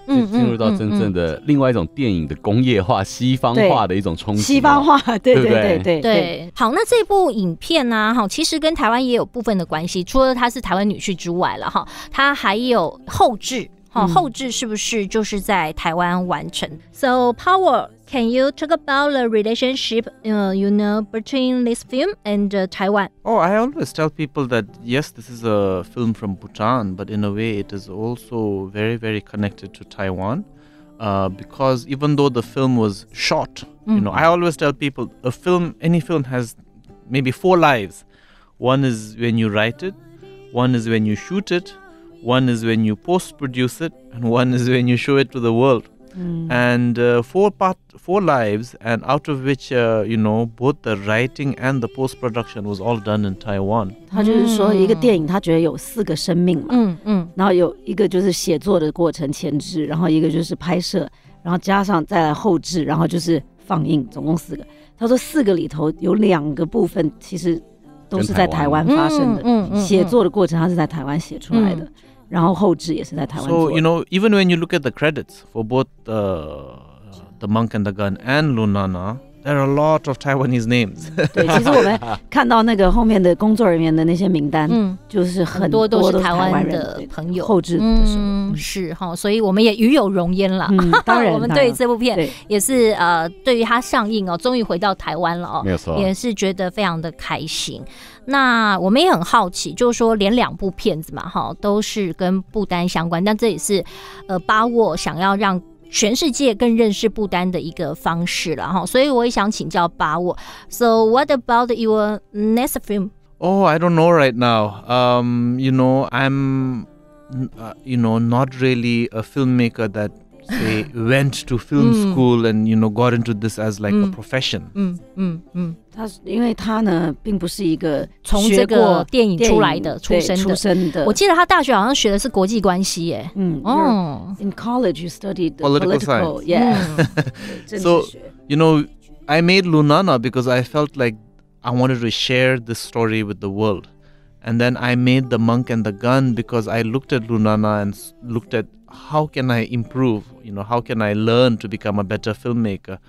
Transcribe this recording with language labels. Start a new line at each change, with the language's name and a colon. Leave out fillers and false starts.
Chinese: 就进入到真正的另外一种电影的工业化、西方化的一种冲击。西方化，对对对对對, 對。好，那这部影片呢、啊，其实跟台湾也有部分的关系，除了它是台湾女婿之外了哈，它还有后制。后制是不是就是在台湾完成？
English: So, Power, can you talk about the relationship, you know, between this film and Taiwan? Oh, I always tell people that, yes, this is a film from Bhutan, but in a way, it is also very, very connected to Taiwan. Because even though the film was shot, you know, I always tell people, a film, any film has maybe four lives. One is when you write it, one is when you shoot it,One is when you post-produce it, and one is when you show it to the world. And four lives, and out of which, you know, both the writing and the post-production was all done in Taiwan.
Chinese: 他就是说一个电影他觉得有四个生命嘛。然后有一个就是写作的过程前置，然后一个就是拍摄，然后加上再来后置，然后就是放映，总共四个。他说四个里头有两个部分其实都是在台湾发生的，写作的过程它是在台湾写出来的，然后后制也是在台湾做的。
English: So, you know, even when you look at the credits for both the Monk and the Gun and Lunana, there are a lot of Taiwanese names.
Chinese: 对，其实我们看到那个后面的工作人员的那些名单，就是很多都是台湾的朋友后制的时候。是哈，所以我们也与有荣焉了。当然，我们对这部片也是对于它上映哦，终于回到台湾了哦，没有错，也是觉得非常的开心。那我们也很好奇，就是说连两部片子嘛，哈，都是跟不丹相关，但这也是巴沃想要让全世界更认识不丹的一个方式了哈。所以我也想请教巴沃 ，
English: So what about your next film? Oh, I don't know right now. You know, I'm. You know, not really a filmmaker that say went to film school and you know got into this as like a profession.
Chinese: 他因为他呢，并不是一个从这个电影出来的出身的我记得他大学好像学的是国际关系耶。
English: In college, you studied political science. Yeah. So you know, I made Lunana because I felt like I wanted to share this story with the world. And then I made The Monk and the Gun because I looked at Lunana and looked at how can I improve, you know, how can I learn to become a better filmmaker.